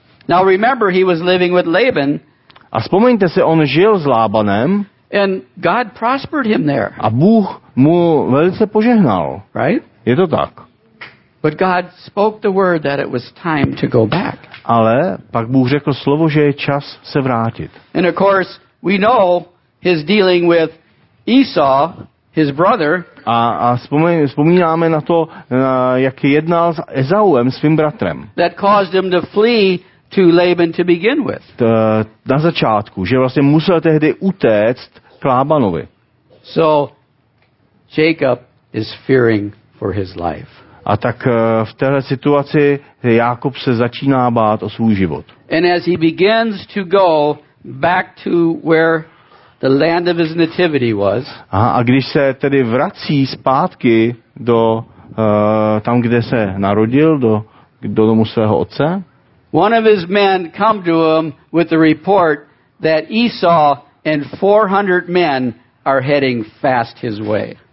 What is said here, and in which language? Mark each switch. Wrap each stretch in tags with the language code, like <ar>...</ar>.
<en>Now remember, he was living with Laban.</en> <cs>A vzpomeňte se, on žil s Lábanem.</cs> <en>And God prospered him there.</en> <cs>A Bůh mu velice požehnal.</cs> <en>Right?</en> <cs>Je to tak.</cs> <en>But God spoke the word that it was time to go back.</en> <cs>Ale pak Bůh řekl slovo, že je čas se vrátit.</cs> <en>And of course, we know his dealing with Esau, his brother.</en> <cs>A vzpomínáme na to, jak jednal s Ezauem, svým bratrem.</cs> <en>That caused him to flee to Laban to begin with.</en> <cs>Na začátku, že vlastně musel tehdy utéct k Lábanovi.</cs> <en>So Jacob is fearing for his life.</en> <cs>A tak v téhle situaci Jákob se začíná bát o svůj život.</cs> <en>And as he begins to go back to where the land of his nativity was.</en> <cs>A když se tedy vrací zpátky do tam, kde se narodil, do domu svého otce.</cs> <en>One of his men come to him with the report that Esau and 400 men are heading fast his way.</en>